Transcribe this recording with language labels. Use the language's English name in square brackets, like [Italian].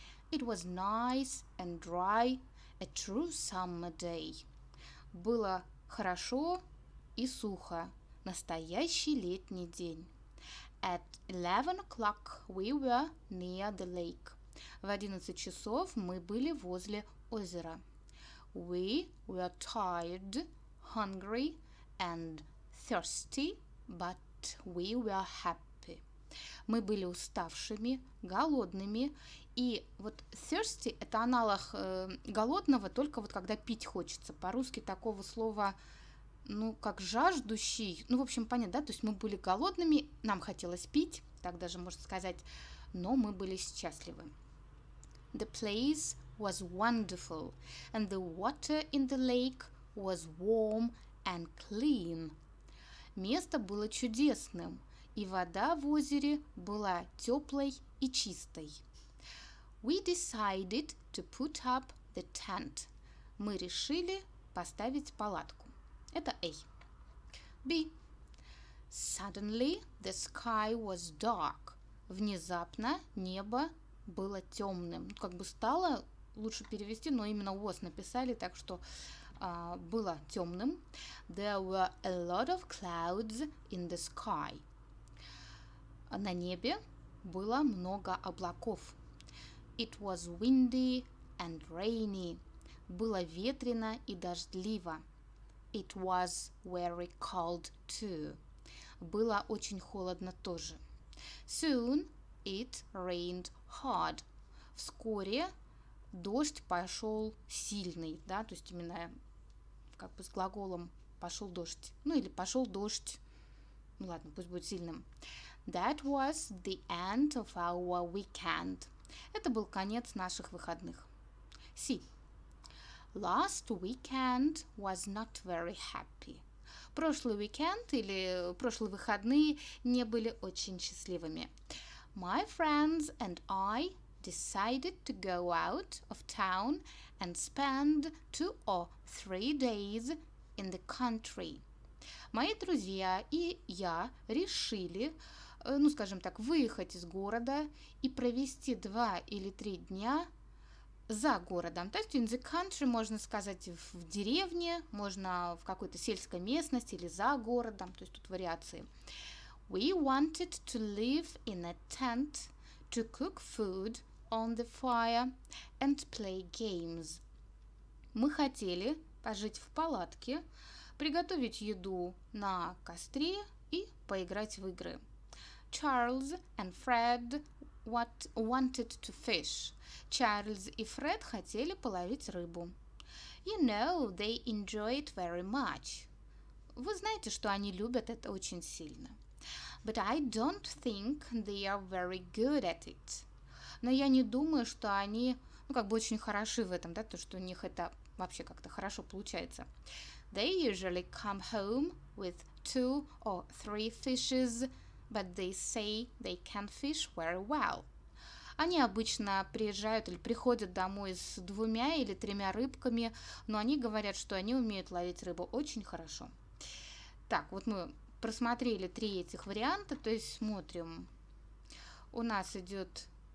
[English] It was nice and dry. A true summer day. [Russian] Было хорошо и сухо. Настоящий летний день. [English] At 11 o'clock we were near the lake. [Russian] В 11 часов мы были возле озера. [English] We were tired, hungry and thirsty, but we were happy. [Russian] Мы были уставшими, голодными. И вот thirsty – это аналог голодного, только вот когда пить хочется. По-русски такого слова, ну, как жаждущий. Ну, в общем, понятно, да? То есть мы были голодными, нам хотелось пить, так даже можно сказать, но мы были счастливы. [English] The place was wonderful, and the water in the lake was warm and clean. [Russian] Место было чудесным, и вода в озере была теплой и чистой. [English] We decided to put up the tent. [Russian] Мы решили поставить палатку. Это [English] A. B. Suddenly the sky was dark. [Russian] Внезапно небо было темным. Как бы стало лучше перевести, но именно was написали, так что было темным. [English] There were a lot of clouds in the sky. [Russian] На небе было много облаков. [English] It was windy and rainy. [Russian] Было ветрено и дождливо. [English] It was very cold too. [Russian] Было очень холодно тоже. [English] Soon it rained hard. [Russian] Вскоре дождь пошел сильный, да, то есть именно как бы с глаголом пошел дождь. Ну или пошел дождь. Ну ладно, пусть будет сильным. [English] That was the end of our weekend. [Russian] Это был конец наших выходных. [English] Си. Last weekend was not very happy. [Russian] Прошлый уикенд или прошлые выходные не были очень счастливыми. [English] My friends and I decided to go out of town and spend 2 or 3 days in the country. [Russian] Мои друзья и я решили, ну, скажем так, выехать из города и провести 2 или 3 дня за городом. То есть [English] in the country [Russian] можно сказать в деревне, можно в какой-то сельской местности или за городом, то есть тут вариации. [English] We wanted to live in a tent, to cook food on the fire and play games. [Russian] Мы хотели пожить в палатке, приготовить еду на костре и поиграть в игры. [English] Charles and Fred wanted to fish. [Russian] Чарльз и Фред хотели половить рыбу. [English] You know, they enjoy it very much. [Russian] Вы знаете, что они любят это очень сильно. [English] But I don't think they are very good at it. [Russian] Но я не думаю, что они, ну, как бы очень хороши в этом, да, то, что у них это вообще как-то хорошо получается. [English] They usually come home with 2 or 3 fishes, but they say they can fish very well. [Russian] Они обычно приезжают или приходят домой с 2 или 3 рыбками, но они говорят, что они умеют ловить рыбу очень хорошо. Так, вот мы просмотрели 3 этих варианта, то есть смотрим. У нас идет